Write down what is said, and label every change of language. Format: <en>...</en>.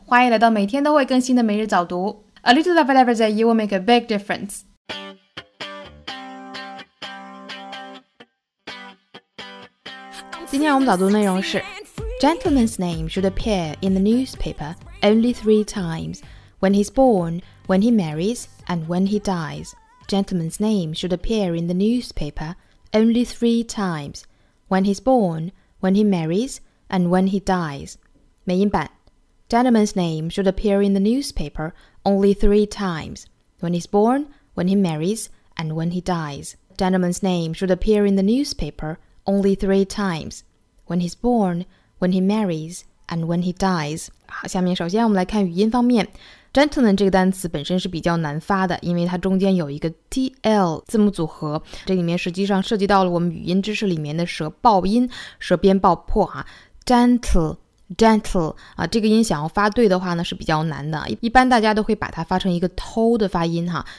<zh>欢迎来到每天都会更新的每日早读。</zh> <en>A little of every day will make a big difference. I'm</en> <zh>今天我们早读的内容是</zh> <en>Gentleman's name should appear in the newspaper only 3 times. When he's born, when he marries, and when he dies. Gentleman's name should appear in the newspaper only 3 times. When he's born, when he marries, and when he dies.</en> <zh>美音版</zh> <en>Gentleman's name should appear in the newspaper only 3 times. When he's born, when he marries, and when he dies. Gentleman's name should appear in the newspaper only 3 times. When he's born, when he marries, and when he dies.</en> <zh>好，下面首先我们来看语音方面。Gentleman 这个单词本身是比较难发的，因为它中间有一个 TL 字母组合，这里面实际上涉及到了我们语音知识里面的舌爆音，舌边爆破啊。 Gentle 啊，这个音想要发对的话呢是比较难的，一般大家都会把它发成一个 to 的发音哈。</zh>